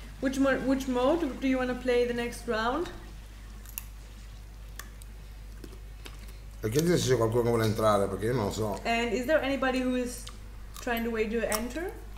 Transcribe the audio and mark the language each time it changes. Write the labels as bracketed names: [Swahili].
[English] which mode do you want to play the next round? [Italian] E chiedi se c'è qualcuno che vuole entrare, perché io non lo so. [English] And is there anybody who is trying to wait to enter?